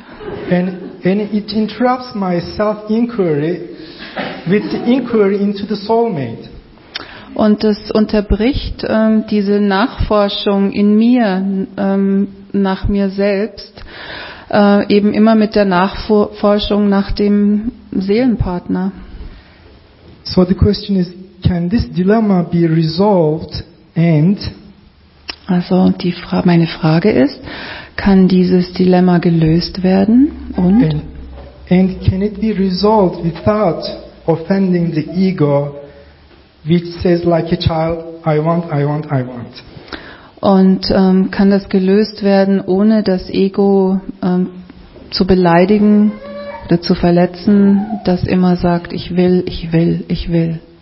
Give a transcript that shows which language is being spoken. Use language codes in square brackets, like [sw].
[en] And it interrupts my self-inquiry with the inquiry into the soulmate. [de] Und es unterbricht diese Nachforschung in mir, nach mir selbst, eben immer mit der Nachforschung nach dem Seelenpartner. [en] So the question is, can this dilemma be resolved and... [de] Also meine Frage ist, kann dieses Dilemma gelöst werden und... [en] And can it be resolved without offending the ego, which says like a child, I want, I want, I want. [de] Und kann das gelöst werden, ohne das Ego zu beleidigen oder zu verletzen, das immer sagt, ich will, ich will, ich will.